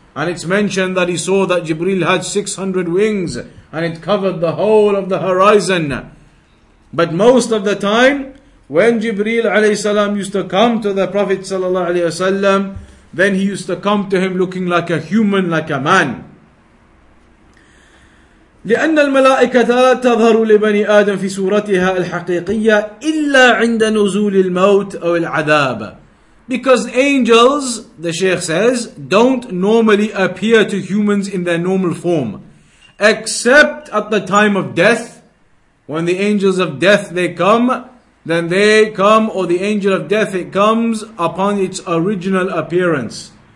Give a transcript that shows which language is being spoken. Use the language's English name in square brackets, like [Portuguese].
[English] And it's mentioned that he saw that Jibreel had 600 wings and it covered the whole of the horizon. But most of the time, when Jibreel ﷺ used to come to the Prophet ﷺ, then he used to come to him looking like a human, like a man. [Arabic] لأن الملائكة تظهر لبني آدم في صورتها الحقيقية إلا عند نزول الموت أو العذاب. [English] Because angels, the Shaykh says, don't normally appear to humans in their normal form, except at the time of death. When the angels of death, they come, then they come, or the angel of death, it comes upon its original appearance.